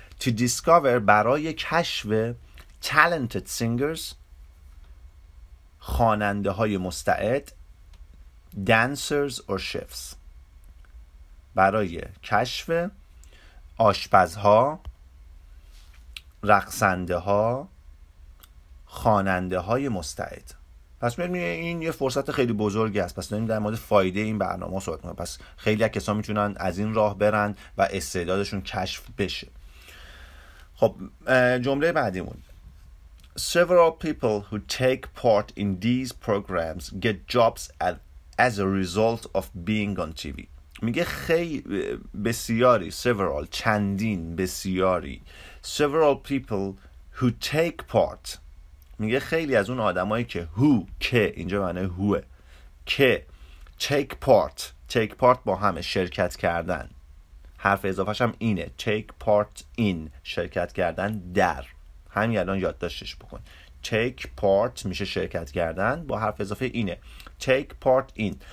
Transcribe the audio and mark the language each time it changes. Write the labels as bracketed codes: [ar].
[fa] To discover، برای کشف [en] talented singers، [fa] خواننده های مستعد، [en] dancers or chefs، [fa] برای کشف آشپزها، رقصنده ها، خواننده های مستعد. پس میبینید این یه فرصت خیلی بزرگی است. پس داریم در مورد فایده این برنامه صحبت میکنیم. پس خیلی از کسان میتونن از این راه برن و استعدادشون کشف بشه. خب جمله بعدیمون، [en] Several people who take part in these programs get jobs as a result of being on TV. [fa] میگه خیلی بسیاری، several، چندین، بسیاری، [en] several people who take part، [fa] میگه خیلی از اون آدمایی که who، که اینجا معنی whoه، که take part، take part با همه شرکت کردن، حرف اضافهش هم اینه، [en] take part in، [fa] شرکت کردن در، همین الان یادداشتش بکن، take part میشه شرکت کردن با حرف اضافه اینه، take part in.